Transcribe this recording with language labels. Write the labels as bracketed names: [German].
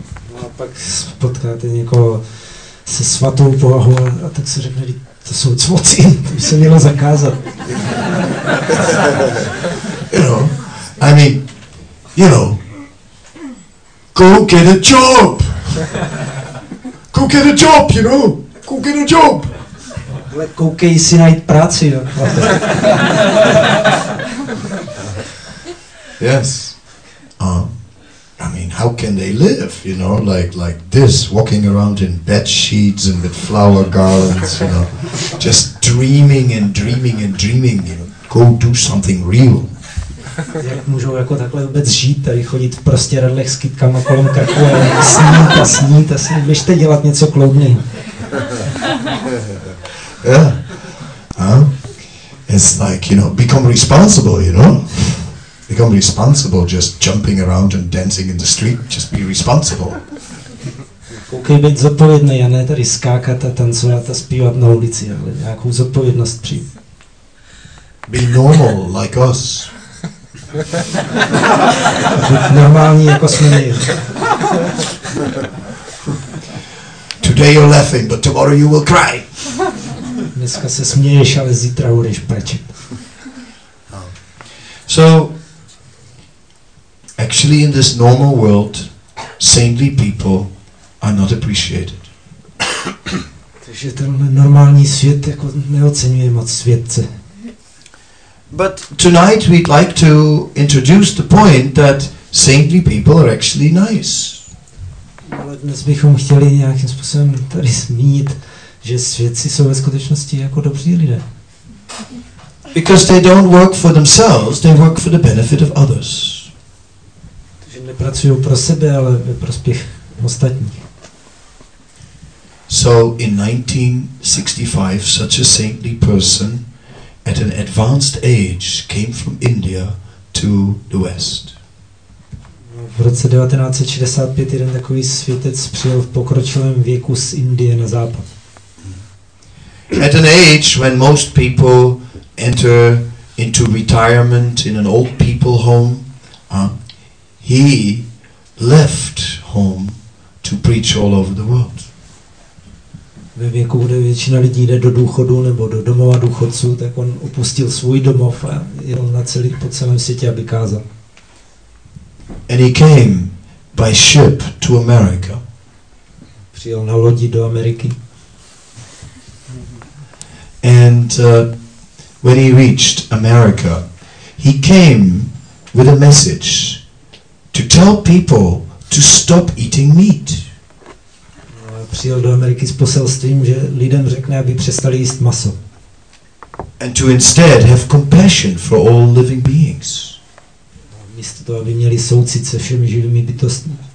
[Czech] No a pak potkáte někoho se svatou povahou a tak se řekne, to jsou cvoci, to by se mělo zakázat. [English] You know, I mean, you know, go get a job. Go get a job, you know, go get a job. [Czech] Ale koukej si najít práci, jo. [English] Yes. I mean, how can they live, you know, like this, walking around in bed sheets and with flower garlands, you know, just dreaming and dreaming and dreaming, you know, go do something real. [Czech] Jak můžou jako takhle vůbec žít, tady chodit v prostěradlech s kytkama kolem krku a snít a snít a snít, běžte dělat něco kloudněji. [English] Yeah, it's like, you know, become responsible, you know, become responsible just jumping around and dancing in the street, just be responsible. [Czech] Koukej být zodpovědný a ne tady skákat a tancovat a zpívat na ulici, ale nějakou zodpovědnost přijít. [English] Be normal like us. [Czech] Buď normální jako jsme my. [English] Today you're laughing, but tomorrow you will cry. [Czech] Dneska se směješ, ale zítra budeš brečet. [English] So, actually in this normal world, saintly people are not appreciated. [Czech] Takže tenhle normální svět jako neoceňuje moc světce. [English] But tonight we'd like to introduce the point that saintly people are actually nice. [Czech] Ale dnes bychom chtěli nějakým způsobem tady zmínit, že světci jsou ve skutečnosti jako dobří lidé. [English] Because they don't work for themselves, they work for the benefit of others. [Czech] Takže nepracují pro sebe, ale ve prospěch ostatních. [English] So in 1965 such a saintly person at an advanced age came from India to the West. [Czech] V roce 1965 jeden takový světec přijel v pokročilém věku z Indie na západ. [English] At an age when most people enter into retirement in an old people home. He left home to preach all over the world. [Czech] Ve věku, kde většina lidí jde do důchodu nebo do domova důchodců, tak on opustil svůj domov a jel na celý po celém světě, aby kázal. [English] And he came by ship to America. [Czech] Přijel na lodi do Ameriky. [English] And when he reached America, he came with a message to tell people to stop eating meat. [Czech] Přijel do Ameriky s poselstvím, že lidem řekne, aby přestali jíst maso. [English] And to instead have compassion for all living beings. [Czech] Místo toho, aby měli soucit se všemi živými bytostmi.